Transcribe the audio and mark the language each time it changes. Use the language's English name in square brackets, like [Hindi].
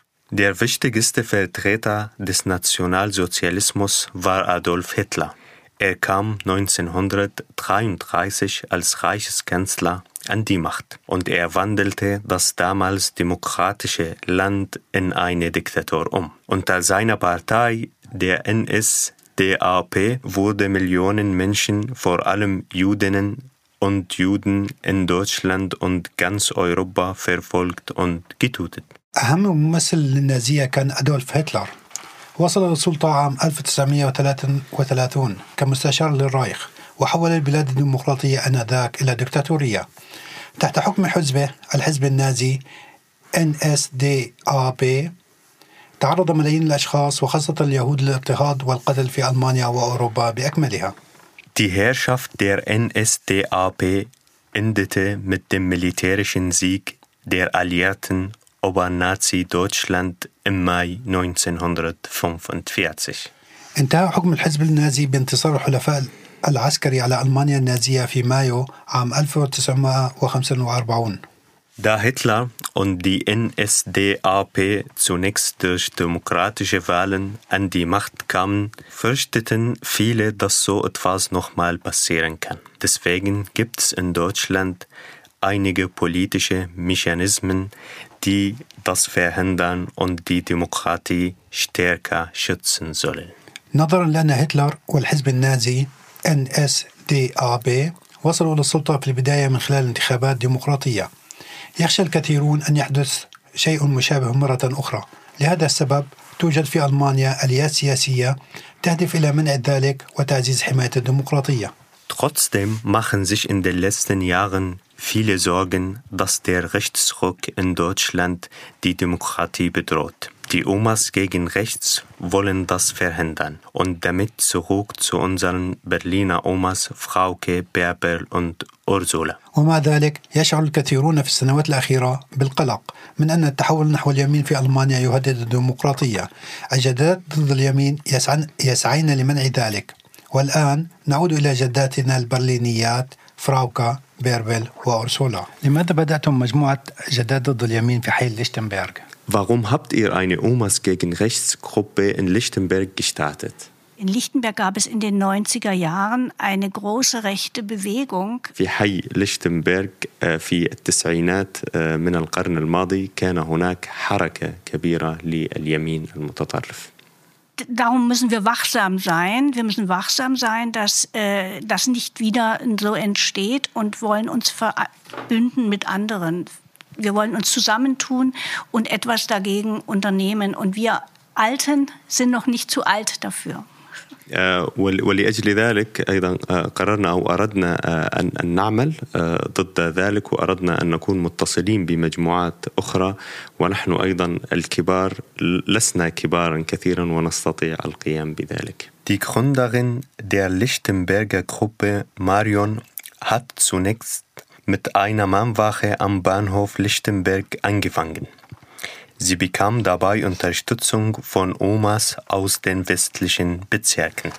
[German] Der wichtigste Vertreter des Nationalsozialismus war Adolf Hitler. Kam 1933 als Reichskanzler an die Macht und wandelte das damals demokratische Land in eine Diktatur Unter seiner Partei, der NSDAP, wurde Millionen Menschen, vor allem Judinnen und Juden in Deutschland und ganz Europa verfolgt und getötet. [Arabic] أهم ممثل للنازية كان أدولف هتلر. وصل للسلطة عام 1933 كمستشار للرايخ وحول البلاد الديمقراطية آنذاك إلى دكتاتورية. تحت حكم حزبه الحزب النازي NSDAP تعرض ملايين الأشخاص وخاصة اليهود للاضطهاد والقتل في ألمانيا وأوروبا بأكملها. [German] Die Herrschaft der NSDAP endete mit dem militärischen Sieg der Alliierten über Nazi Deutschland im Mai 1945. [Arabic] انتهى حكم الحزب النازي بانتصار حلفاء العسكري على ألمانيا النازية في مايو عام 1945. [German] Da Hitler und die NSDAP zunächst durch demokratische Wahlen an die Macht kamen, fürchteten viele, dass so etwas nochmal passieren kann. Deswegen gibt es in Deutschland einige politische Mechanismen, die das verhindern und die Demokratie stärker schützen sollen. [Arabic] نظرا لأن هتلر والحزب النازي NSDAP وصلوا للسلطة في البداية من خلال انتخابات ديمقراطية، يخشى الكثيرون أن يحدث شيء مشابه مرة أخرى. لهذا السبب توجد في ألمانيا آليات سياسية تهدف إلى منع ذلك وتعزيز حماية الديمقراطية. [German] Trotzdem machen sich in den letzten Jahren viele Sorgen, dass der Rechtsruck in Deutschland die Demokratie bedroht. Die Omas gegen rechts wollen das verhindern. Und damit zurück zu unseren Berliner Omas Frauke, Bärbel und Ursula. [Arabic] ومع ذلك يشعر الكثيرون في السنوات الأخيرة بالقلق من أن التحول نحو اليمين في ألمانيا يهدد الديمقراطية. الجدات ضد اليمين يسعين لمنع ذلك. والآن نعود إلى جداتنا البرلينيات فراوكا، بيربل وأرسولا. لماذا بدأتم مجموعة جدات ضد اليمين في حي ليشتنبرغ؟ [German] Warum habt ihr eine Omas gegen Rechtsgruppe in Lichtenberg gestartet? In Lichtenberg gab es in den 90er Jahren eine große rechte Bewegung. [Arabic] في حي ليشتنبرغ في التسعينات من القرن الماضي كان هناك حركة كبيرة لليمين المتطرف. [German] Darum müssen wir wachsam sein. Wir müssen wachsam sein, dass das nicht wieder so entsteht und wollen uns verbünden mit anderen. Wir wollen uns zusammentun und etwas dagegen unternehmen. Und wir Alten sind noch nicht zu alt dafür. [Arabic] ولأجل ذلك أيضا قررنا أو أردنا أن نعمل ضد ذلك وأردنا أن نكون متصلين بمجموعات أخرى ونحن أيضا الكبار لسنا كبارا كثيرا ونستطيع القيام بذلك. [German] Die Gründerin der Lichtenberger Gruppe Marion hat zunächst mit einer Mahnwache am Bahnhof Lichtenberg angefangen. Sie bekam dabei Unterstützung von Omas aus den westlichen Bezirken.